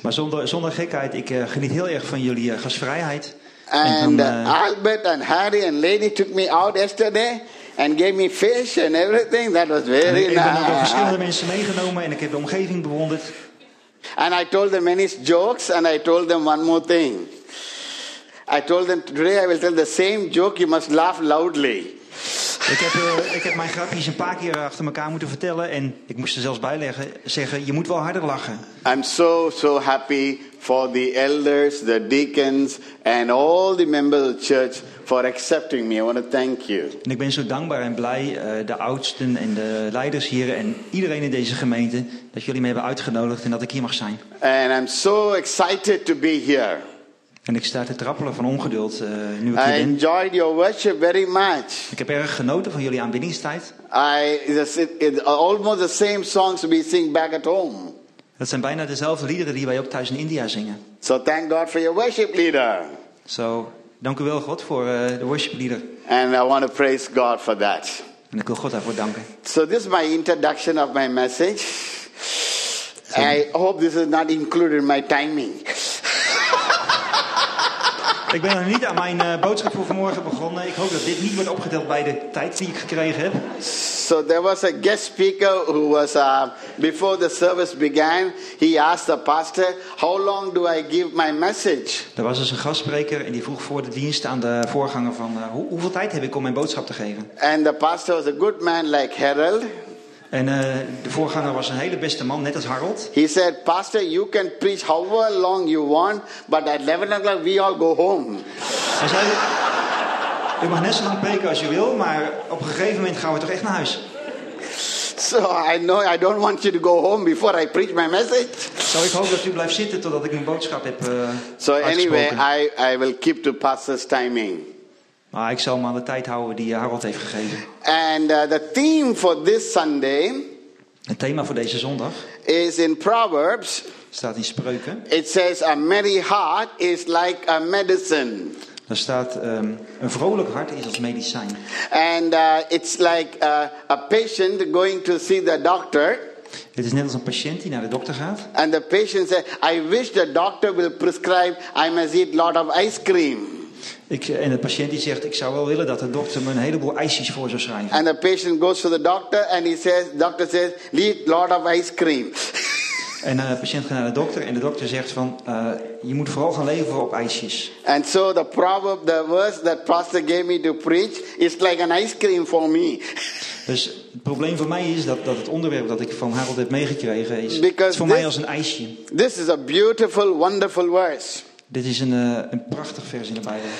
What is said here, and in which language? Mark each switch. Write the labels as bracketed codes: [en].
[nl] Maar zonder gekheid, ik geniet heel erg van jullie gastvrijheid. [en] And Albert and Harry and Lady took me out yesterday and gave me fish and everything. That was very nice. [nl] Ik ben ook verschillende mensen meegenomen en ik heb de omgeving bewonderd. [en] And I told them many jokes and I told them one more thing. I told them today I will tell the same joke. You must laugh loudly. [nl] Ik heb mijn grapjes een paar keer achter elkaar moeten vertellen en ik moest er zelfs bijleggen zeggen je moet wel harder lachen. [en] I'm so happy for the elders, the deacons and all the members of the church for accepting me. I want to thank you. [nl] En ik ben zo dankbaar en blij de oudsten en de leiders hier en iedereen in deze gemeente dat jullie me hebben uitgenodigd en dat ik hier mag zijn. [en] And I'm so excited to be here. [nl] En ik sta te trappelen van ongeduld nu ik hier ben. [en] I enjoyed your worship very much. [nl] Ik heb erg genoten van jullie aanbiddingstijd. [en] It's almost the same songs we sing back at home. [nl] Dat zijn bijna dezelfde liederen die wij ook thuis in India zingen. [en] So thank God for your worship leader. [nl] So, dank u wel God voor de worship leader. [en] And I want to praise God for that. [nl] En ik wil God daarvoor danken. [en] So this is my introduction of my message. So, I hope this is not included in my timing. [nl] Ik ben nog niet aan mijn boodschap voor vanmorgen begonnen. Ik hoop dat dit niet wordt opgedeeld bij de tijd die ik gekregen heb. [en] So there was a guest speaker who was before the service began. He asked the pastor, how long do I give my message? [nl] Er was dus een gastspreker en die vroeg voor de dienst aan de voorganger van hoeveel tijd heb ik om mijn boodschap te geven? [en] And the pastor was a good man like Harold. [nl] En de voorganger was een hele beste man, net als Harold. [en] He said, Pastor, you can preach however long you want, but at 11 o'clock we all go home. [nl] Hij zei, u mag net zo lang preken als u wil, maar op een gegeven moment gaan we toch echt naar huis. [en] So I know I don't want you to go home before I preach my message. [nl] So ik hoop dat u blijft zitten totdat ik mijn boodschap heb [en] So anyway, I will keep to pastor's timing. [nl] Maar ik zal me aan de tijd houden die Harold heeft gegeven. [en] And the theme for this Sunday. [nl] Het thema voor deze zondag. [en] Is in Proverbs. [nl] Staat in Spreuken. [en] It says a merry heart is like a medicine. [nl] Daar staat een vrolijk hart is als medicijn. [en] And it's like a patient going to see the doctor. [nl] Het is net als een patiënt die naar de dokter gaat. [en] And the patient says, I wish the doctor will prescribe. I must eat a lot of ice cream. [nl] En de patiënt die zegt, ik zou wel willen dat de dokter me een heleboel ijsjes voor zou schrijven. [en] And the patient goes to the doctor and he says, doctor says, eat lot of ice cream. [nl] En de patiënt gaat naar de dokter en de dokter zegt van, je moet vooral gaan leven op ijsjes. [en] And so the proverb, the verse that pastor gave me to preach, is like an ice cream for me. [nl] Dus het probleem voor mij is dat het onderwerp dat ik van Harold heb meegekregen is, het voor mij als een ijsje. [en] This is a beautiful, wonderful verse. [nl] Dit is een prachtig vers in de Bijbel.